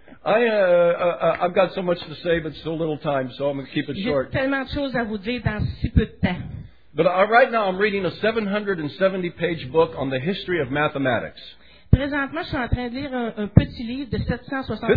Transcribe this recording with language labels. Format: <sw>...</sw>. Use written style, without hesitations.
<en>I've got so much to say, but so little time, so I'm going to keep it short.</en> <fr>J'ai tellement de choses à vous dire dans si peu de temps.</fr> <en>But right now I'm reading a 770-page book on the history of mathematics.</en> <fr>Présentement, je suis en train de lire un petit livre de 770 pages.</fr>